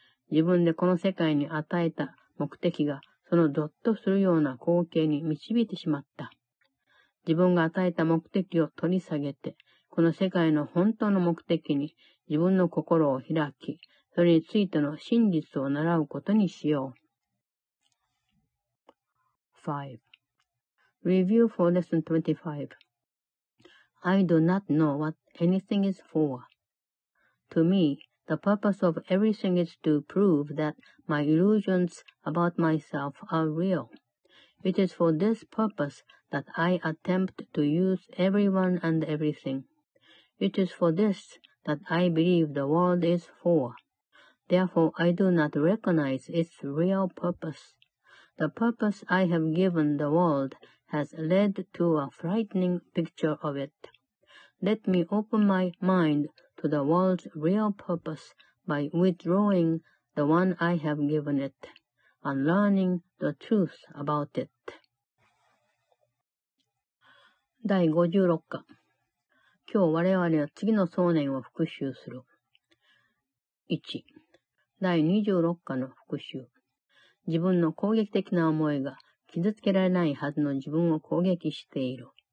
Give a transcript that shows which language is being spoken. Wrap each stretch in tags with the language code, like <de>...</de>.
<ja>自分でこの世界に与えた目的がそのゾッとするような光景に導いてしまった。自分が与えた目的を取り下げて、この世界の本当の目的に自分の心を開き、それについての真実を習うことにしよう。 5.</ja> <en>Review for Lesson 25. I do not know what anything is for. To me,The purpose of everything is to prove that my illusions about myself are real. It is for this purpose that I attempt to use everyone and everything. It is for this that I believe the world is for. Therefore, I do not recognize its real purpose. The purpose I have given the world has led to a frightening picture of it. Let me open my mind to the world's real purpose by withdrawing the one I have given it and learning the truth about it.</en> <ja>第56課。今日我々は次の想念を復習する。 1. 第26課の復習。自分の攻撃的な思いが傷つけられないはずの自分を攻撃している。</ja>